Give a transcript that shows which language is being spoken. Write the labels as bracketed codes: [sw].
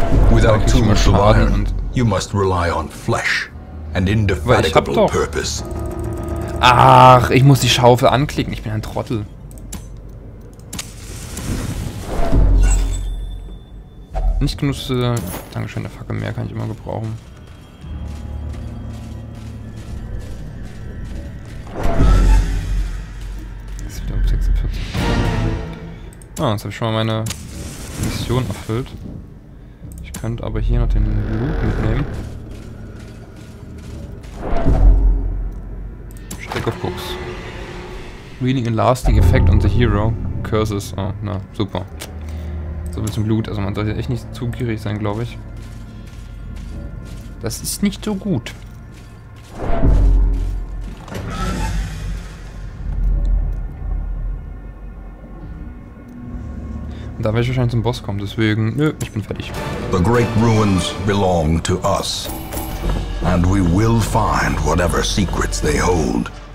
[en] Without too much of iron, you must rely on flesh and indefatigable purpose. [de] Ach, ich muss die Schaufel anklicken, ich bin ein Trottel. Nicht genug, Dankeschön, eine Fackel mehr kann ich immer gebrauchen. Das ist wieder um 46. Ah, jetzt habe ich schon mal meine Mission erfüllt. Ich könnte aber hier noch den Loot mitnehmen. [en] Stack of Books. Reading a lasting effect on the hero. Curses. [de] Oh, na, super. So viel zum Loot. Also man sollte echt nicht zu gierig sein, glaube ich. Das ist nicht so gut. Und da werde ich wahrscheinlich zum Boss kommen, deswegen, nö, ich bin fertig. [en] The great ruins belong to us. And we will find whatever secrets they hold.